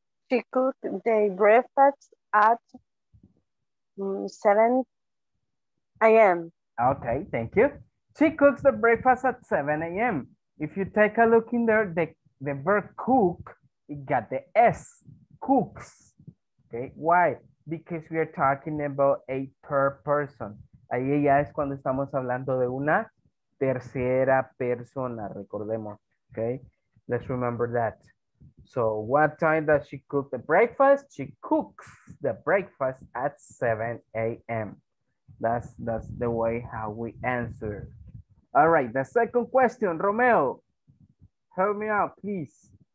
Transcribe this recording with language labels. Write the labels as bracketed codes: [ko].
[en] She cooked the breakfast at 7 a.m. Okay, thank you. She cooks the breakfast at 7 a.m. If you take a look in there, the verb cook, it got the S, cooks. Okay, why? Because we are talking about a per person. [es] Ahí ya es cuando estamos hablando de una tercera persona, recordemos. [en] Okay, let's remember that. So what time does she cook the breakfast? She cooks the breakfast at 7 a.m. That's the way how we answer. All right, the second question, Romeo, help me out, please.